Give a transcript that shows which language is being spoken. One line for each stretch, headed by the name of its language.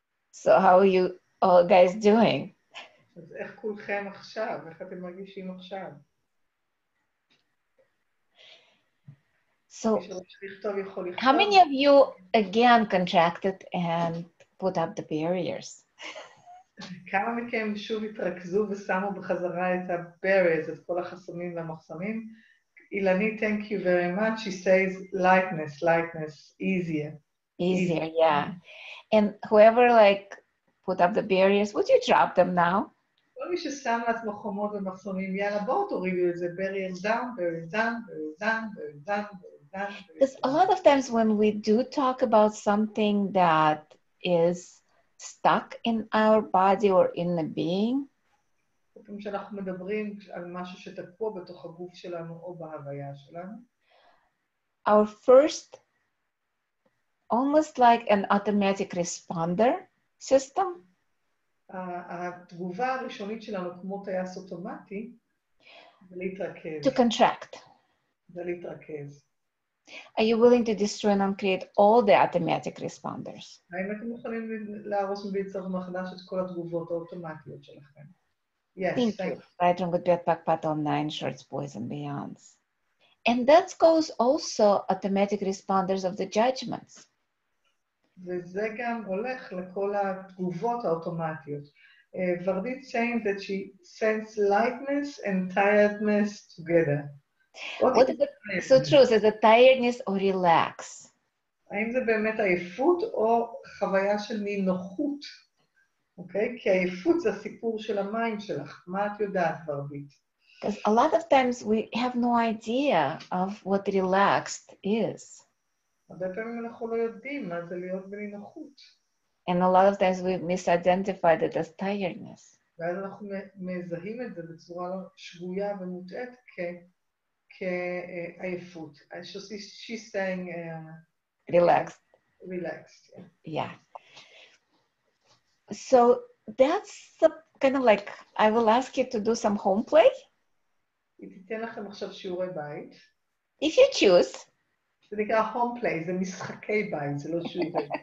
English: So how are you all guys doing?
Hebrew: אז איך כולכם עכשיו? איך אתם מרגישים עכשיו?
English: So, how many of you again contracted and put up the barriers?
Hebrew: כמה מכם שוב התרכזו ושמו בחזרה את הבריירס, את כל החסמים והמחסמים?
English: אילני, thank you very much. She says lightness, lightness, easier. Easier, yeah. And whoever like put up the barriers, would you drop them now?
Hebrew: כל מי ששם לעצמו חומות ומחסומים, יאללה, בואו תורידו את זה,
English: barrier down, barrier down,
Hebrew: barrier down, barrier down, barrier down.
English: Because a lot of times when we do talk about something that is stuck in our body or in the being,
Hebrew: כפי שאנחנו מדברים על משהו שתקוע בתוך הגוף שלנו או בהוויה שלנו,
English: our first, almost like an automatic responder system,
Hebrew: התגובה הראשונית שלנו כמו טייס אוטומטי ולהתרכז.
English: To contract.
Hebrew: ולהתרכז.
English: Are you willing to destroy and uncreate all the automatic responders?
Hebrew: האם אתם מוכנים להרוס וליצור מחדש את כל התגובות האוטומטיות שלכם?
English: Yes, thank you. Right wrong, good, bad, back, pat on nine shorts, boys and beyonds. And that goes also automatic responders of the judgments. וזה גם הולך לכל התגובות האוטומטיות. ורדית saying that she sends lightness and tiredness together. So true, is it tiredness or relax?
Hebrew: האם זה באמת עייפות או חוויה של נינוחות? אוקיי? כי עייפות זה הסיפור של המים שלך. מה את יודעת, ורדית?
English: Because a lot of times we have no idea of what relaxed is.
Hebrew: הרבה פעמים אנחנו לא יודעים מה זה להיות בנינוחות.
English: And a lot of times we misidentified it as tiredness.
Hebrew: ואז אנחנו מזהים את זה בצורה שגויה ומוטעת כעייפות.
English: She's saying... Relaxed. Relaxed, yeah. So that's the kind of like, I will ask you to do some home play.
Hebrew: תיתן לכם עכשיו שיעורי בית.
English: If you choose.
Hebrew: זה נקרא home play, זה משחקי בית, זה לא שווה.